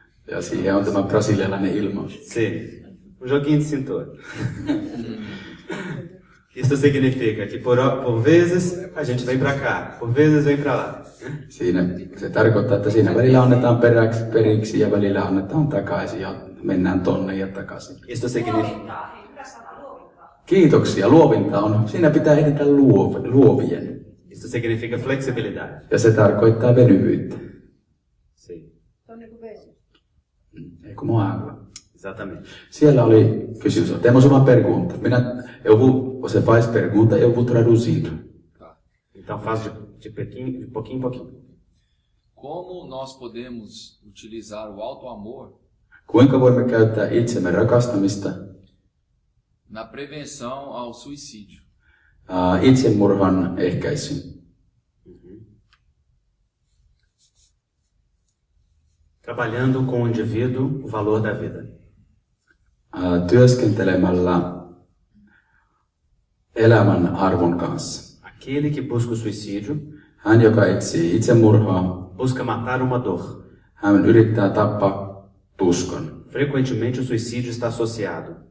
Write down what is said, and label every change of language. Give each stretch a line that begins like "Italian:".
Finnish: Ja siihen on tämä brasilialainen ilmaus.
Portuguese: Sim. Um joguinho de cintura. Isso significa que por vezes a gente vem pra cá, por vezes vem pra lá.
Finnish: Siinä se tarkoittaa, että siinä välillä annetaan periksi ja välillä annetaan takaisin ja mennään tonne ja takaisin.
Portuguese: Isto significa...
Finnish: Kiitoksia, luovinta on. Siinä pitää edetä luovien.
Portuguese: Isto significa flexibilidad.
Finnish: Ja se tarkoittaa venyvyyttä.
Portuguese: Sim.
Finnish: Eikö mua aivan?
Portuguese: Exatamente.
Finnish: Siellä oli kysymys.
Portuguese: Temos uma pergunta. Minä, você faz pergunta, eu vou traduzindo. Então faz de pouquinho em pouquinho. Como nós podemos utilizar o auto-amor?
Finnish: Kuinka voimme käyttää itsemme rakastamista?
Portuguese: Na prevenção ao suicídio.
Finnish: Itsemurhan ehkäisyn.
Portuguese: Trabalhando com o indivíduo, o valor da vida.
Finnish: Työskentelemällä elämän arvon kanssa.
Portuguese: Aquele que busca o suicídio,
Finnish: hän, joka etsii itsemurhaa,
Portuguese: busca matar uma dor.
Finnish: Hän yrittää tappaa tuskan.
Portuguese: Frequentemente o suicídio está associado.